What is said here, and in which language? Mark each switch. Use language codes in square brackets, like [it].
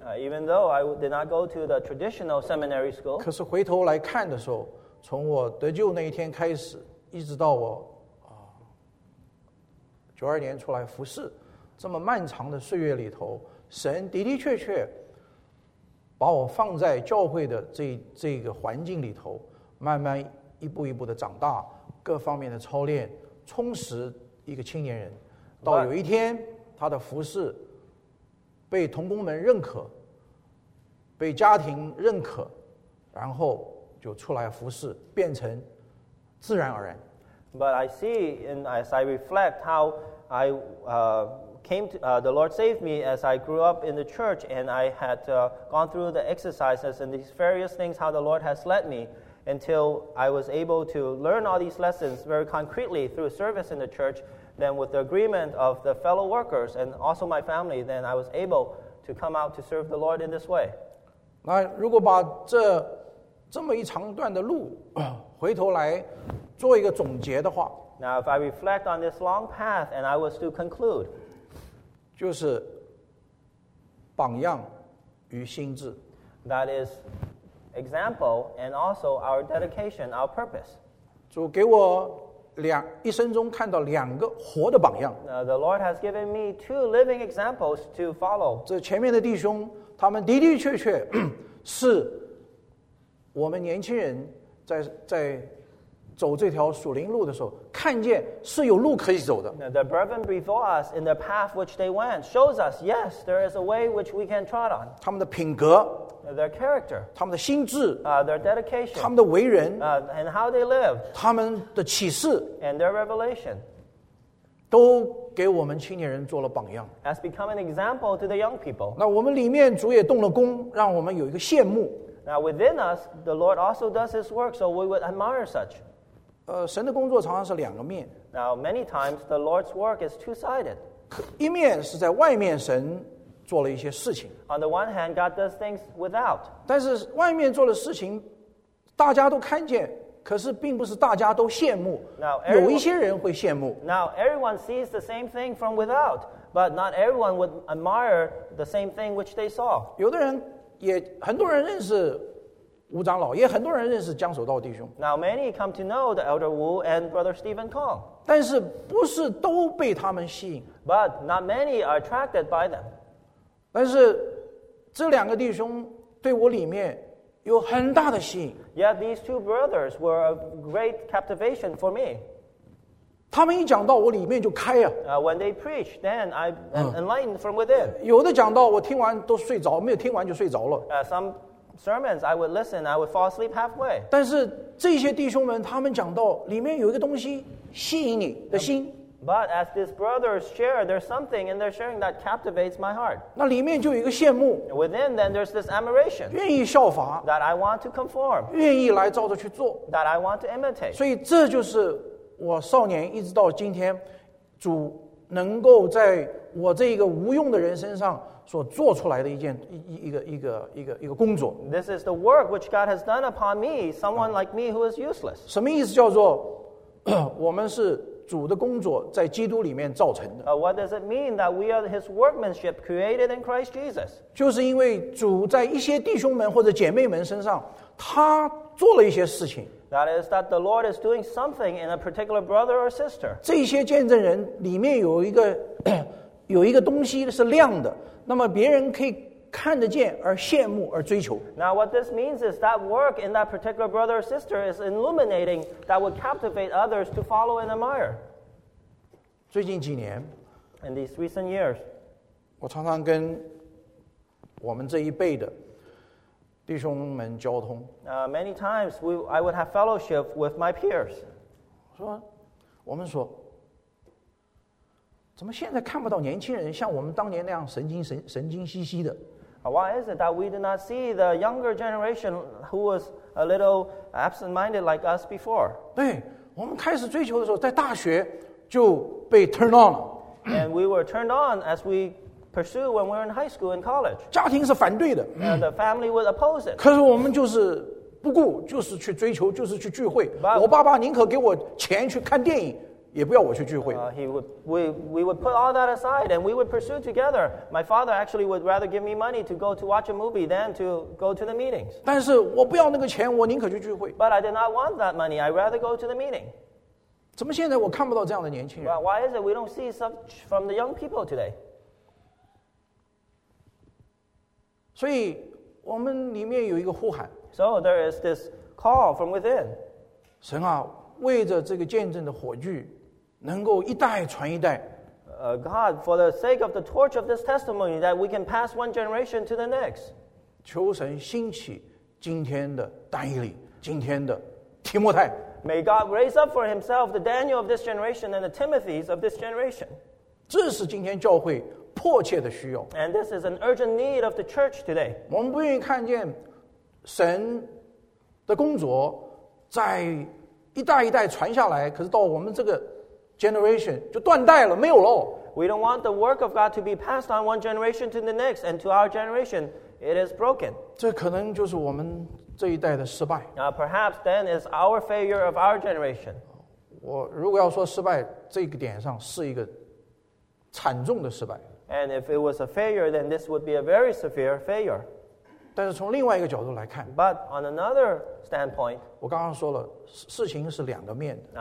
[en] Even though I did not go to the traditional seminary school. [zh] 可是回头来看的时候， 从我得救那一天开始，一直到我 92年出来服侍，这么漫长的岁月里头，神的的确确把我放在教会的这个环境里头，慢慢一步一步的长大，各方面的操练，充实一个青年人。到有一天，他的服侍被同工们认可，被家庭认可，然后 就出来服侍，变成自然而然。 [en] But I see, and as I reflect, how I came to the Lord saved me as I grew up in the church, and I had gone through the exercises and these various things how the Lord has led me, until I was able to learn all these lessons very concretely through service in the church. Then, with the agreement of the fellow workers and also my family, then I was able to come out to serve the Lord in this way. [zh] 那如果把这 这么一长段的路，回头来做一个总结的话， [en] Now, if I reflect on this long path and I was to conclude, [zh] 就是榜样与心智。 [en] That is example and also our dedication, our purpose. [zh] 主给我一生中看到两个活的榜样。 [en] The Lord has given me two living examples to follow. [zh] 这前面的弟兄，他们的的确确是 我们年轻人在走这条属灵路的时候，看见是有路可以走的。 [en] The brethren before us in the path which they went shows us, yes, there is a way which we can trot on. [zh] 他们的品格, [en] their character, [zh] 他们的心智, [en] their dedication, [zh] 他们的为人, [en] and how they live, [zh] 他们的启示, [en] and their revelation, [zh] 都给我们青年人做了榜样。 [en] Has become an example to the young people. [zh] 那我们里面主也动了工, 让我们有一个羡慕。 [en] Now within us, the Lord also does His work, so we would admire such. [zh] 神的工作常常是两个面。 [en] Now many times, the Lord's work is two-sided. [zh] 一面是在外面神做了一些事情。 [en] On the one hand, God does things without. [zh] 但是外面做的事情，大家都看见，可是并不是大家都羡慕。 [en] Now, everyone [zh] 有一些人会羡慕。 [en] Now everyone sees the same thing from without, but not everyone would admire the same thing which they saw. [zh] 有的人也很多人认识吴长老，也很多人认识江守道弟兄。 [en] Now many come to know the elder Wu and brother Stephen Kong. [zh] 但是不是都被他们吸引 [en] ？But not many are attracted by them. [zh] 但是这两个弟兄对我里面有很大的吸引。 [en] Yet these two brothers were a great captivation for me. [zh] 他们一讲到，我里面就开呀。 [en] When they preach, then I enlightened from within. [zh] 有的讲到，我听完都睡着，没有听完就睡着了。 [en] Some sermons I would listen, I would fall asleep halfway. [zh] 但是这些弟兄们，他们讲到里面有一个东西吸引你的心。 [en] But as these brothers share, there's something in their sharing that captivates my heart. [zh] 那里面就有一个羡慕。 [en] Within, then there's this admiration. [zh] 愿意效法。 [en] That I want to conform. [zh] 愿意来照着去做。 [en] That I want to imitate. [zh] 所以这就是我少年一直到今天，主能够在我这一个无用的人身上所做出来的一个工作。 [en] This is the work which God has done upon me, someone like me who is useless. [zh] 什么意思叫做我们是主的工作在基督里面造成的。 [en] What does it mean that we are his workmanship created in Christ Jesus? [zh] 就是因为主在一些弟兄们或者姐妹们身上，他做了一些事情。 [en] That is that the Lord is doing something in a particular brother or sister. [zh] 这些见证人里面有一个东西是亮的，那么别人可以看得见而羡慕而追求。 [en] Now what this means is that work in that particular brother or sister is illuminating that would captivate others to follow and admire. [zh] 最近几年 [en] In these recent years, [zh] 我常常跟我们这一辈的弟兄们交通。 [en] Many times I would have fellowship with my peers. [zh] 说，我们说，怎么现在看不到年轻人像我们当年那样神经兮兮的？ [en] Why is it that we did not see the younger generation who was a little absent-minded like us before? [zh] 对，我们开始追求的时候，在大学就被 [en] turned on [zh] 了。 [en] And we were turned on as we pursue when we're in high school and college. [zh] 家庭是反对的。 [en] And the family would oppose it. [zh] 可是我们就是不顾，就是去追求，就是去聚会。 [en] But, [zh] 我爸爸宁可给我钱去看电影，也不要我去聚会。 [en] We would put all that aside and we would pursue together. My father actually would rather give me money to go to watch a movie than to go to the meetings. [zh] 但是我不要那个钱，我宁可去聚会。 [en] But I did not want that money. I'd rather go to the meeting. [zh] 怎么现在我看不到这样的年轻人？ [en] Well, why is it we don't see such from the young people today? [zh] 所以我们里面有一个呼喊。 [en] So there is this call from within. [zh] 神啊，为着这个见证的火炬能够一代传一代。 [en] God, for the sake of the torch of this testimony, that we can pass one generation to the next. [zh] 求神兴起今天的但以理，今天的提摩太。 [en] May God raise up for himself the Daniel of this generation and the Timothys of this generation. [zh] 这是今天教会迫切的需要。 [en] And this is an urgent need of the church today. [zh] 我们不愿意看见神的工作在一代一代传下来，可是到我们这个 [en] generation [zh] 就断代了，没有了。 [en] We don't want the work of God to be passed on one generation to the next, and to our generation, it is broken. [zh] 这可能就是我们这一代的失败。 [en] Now, perhaps then is our failure of our generation. [zh] 我如果要说失败，这个点上是一个惨重的失败。 [en] And if it was a failure, then this would be a very severe failure. [zh] 但是从另外一个角度来看 [en] ，But on another standpoint. [zh] 我刚刚说了，事情是两个面的。